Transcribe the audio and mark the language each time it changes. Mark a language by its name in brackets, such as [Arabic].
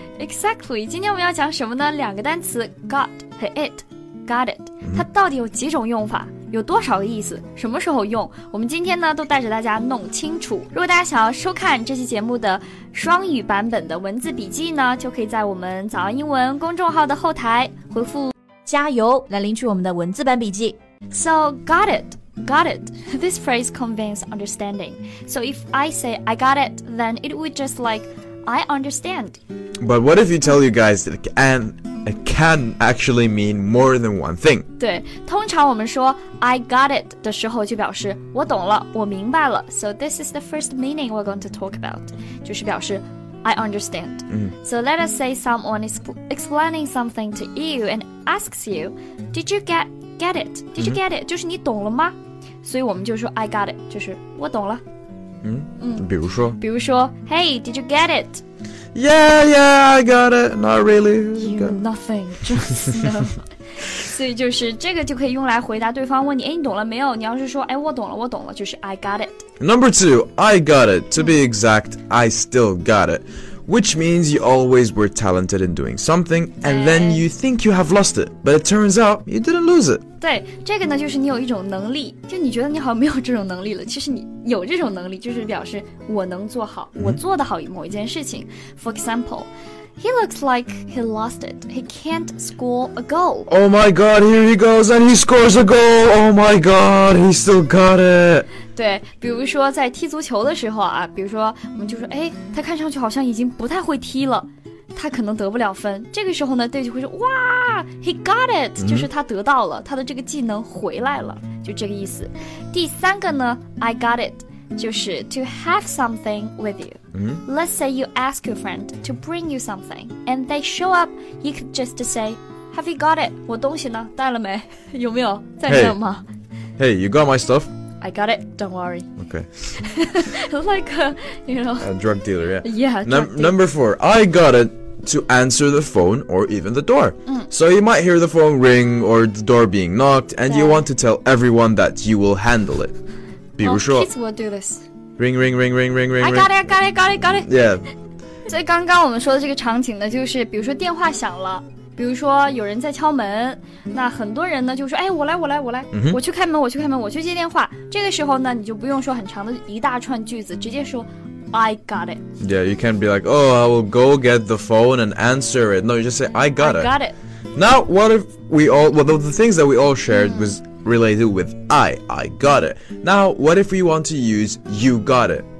[Chinese] Exactly, 今天我们要讲什么呢？两个单词 got 和 it, got it, 它到底有几种用法，有多少个意思，什么时候用，我们今天呢都带着大家弄清楚。如果大家想要收看这期节目的双语版本的文字笔记呢，就可以在我们早安英文公众号的后台回复加油来领取我们的文字版笔记。 [English] So, got it. Got it. This phrase conveys understanding. So if I say I got it, then it would just like I understand. But what if you tell you guys that it can actually mean more than one thing? [Chinese] 对，通常我们说 [English] I got it [Chinese] 的时候就表示我懂了，我明白了。 [English] So this is the first meaning we're going to talk about. [Chinese] 就是表示 [English] I understand. Mm. So let us say someone is explaining something to you and asks you, did you get it? Did you get it? [Chinese] 就是你懂了吗？所以我们就说 [English] I got it, [Chinese] 就是我懂了。比如说 [English] Hey, did you get it? Yeah, I got it. Not really. Nothing. Just no. [Chinese] 所以就是这个就可以用来回答对方问你，哎，你懂了没有？你要是说，哎，我懂了，就是 [English] I got it. Number two, I got it. To be exact, I still got it. Which means you always were talented in doing something, and then you think you have lost it, but it turns out you didn't lose it. [Chinese] 对，这个呢就是你有一种能力，就你觉得你好像没有这种能力了，其实你有这种能力，就是表示我能做好，我做得好某一件事情。 [English] For example, he looks like he lost it. He can't score a goal. Oh my god, here he goes and he scores a goal. Oh my god, he still got it. [Chinese] 对，比如说在踢足球的时候啊，比如说我们就说，哎，他看上去好像已经不太会踢了，他可能得不了分。这个时候呢，队就会说，哇 ， [English] He got it， [Chinese] 就是他得到了，他的这个技能回来了，就这个意思。第三个呢 [English] ，I got it， [Chinese] 就是 [English] to have something with you。 Let's say you ask your friend to bring you something， and they show up， you could just say， Have you got it？ [Chinese] 我东西呢？带了没？有没有？在这吗 [English] ？Hey， you got my stuff。 I got it, don't worry. Okay. Like a, you know... A drug dealer, yeah. Yeah, Number four, I got it to answer the phone or even the door. So you might hear the phone ring or the door being knocked, and you want to tell everyone that you will handle it. [Chinese] 比如说... [English] Oh, kids will do this. Ring. I got it. Yeah. [Chinese] 所以刚刚我们说的这个场景呢，就是比如说电话响了。比如说有人在敲门，那很多人呢就说，哎，我来、我去开门，我去接电话。这个时候呢，你就不用说很长的一大串句子，直接说 [English] I got it. Yeah, you can't be like, oh, I will go get the phone and answer it. No, you just say I got it. Now, the things that we all shared was related with I got it. Now, what if we want to use you got it?